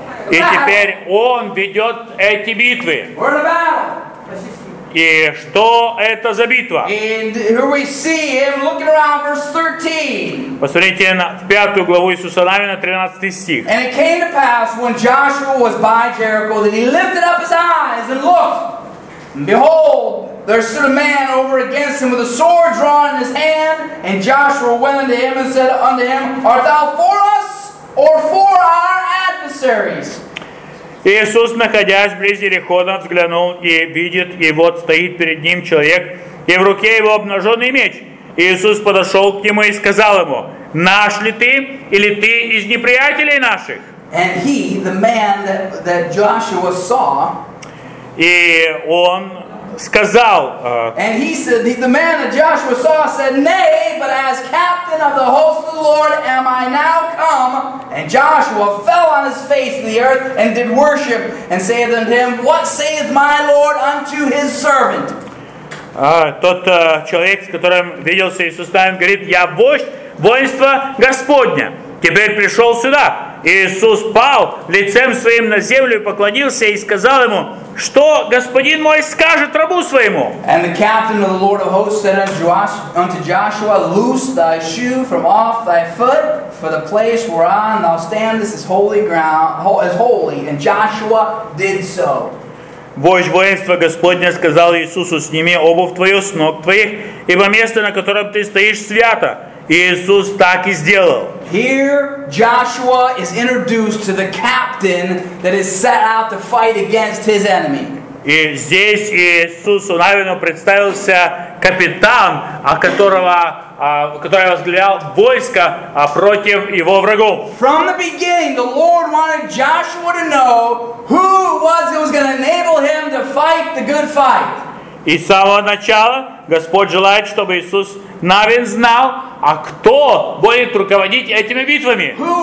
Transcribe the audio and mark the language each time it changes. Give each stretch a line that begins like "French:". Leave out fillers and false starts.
Russian: И теперь он ведет эти битвы. И что это за битва? Посмотрите на 5 главу Иисуса Навина, 13 стих.
English: And it came to pass when Joshua was by Jericho that he lifted up his eyes and looked. And behold, there stood a man over against him with a sword drawn in his hand. And Joshua went unto him and said unto him, Art thou for us or for our adversaries?
Russian: Иисус, находясь близ Иерихона, взглянул и видит, и вот стоит перед ним человек, и в руке его обнаженный меч. Иисус подошел к нему и сказал ему, «Наш ли ты, или ты из неприятелей наших?»
English: And he, the man that Joshua saw,
Russian: и он сказал,
English: And he said, the man that Joshua saw said, Nay, but as captain of the host of the Lord am I now come. And Joshua fell on his face in the earth and did worship, and saith unto him, What saith my Lord unto his servant?
Russian: Тот человек, с которым виделся Иисус Навин, говорит, Я вождь воинства Господня. Теперь пришел сюда. Иисус пал лицем своим на землю и поклонился и сказал ему, что господин мой скажет рабу своему?
English: And the captain of the Lord of hosts said unto Joshua, Loose thy shoe from off thy foot, for the place whereon thou standest is holy ground, is holy. And Joshua did so.
Russian: Вождь воинства Господня сказал Иисусу, Сними обувь твою с ног твоих, ибо место, на котором ты стоишь, свято. Иисус так и сделал.
English: Here Joshua is introduced to the captain that is set out to fight against his enemy.
Russian: И здесь Иисусу Навину представился капитан, который возглавлял войско против его врагов.
English: From the beginning, the Lord wanted Joshua to know who it was that was going to enable him to fight the good fight.
Russian: И с самого начала Господь желает, чтобы Иисус Навин знал, а кто будет руководить этими битвами.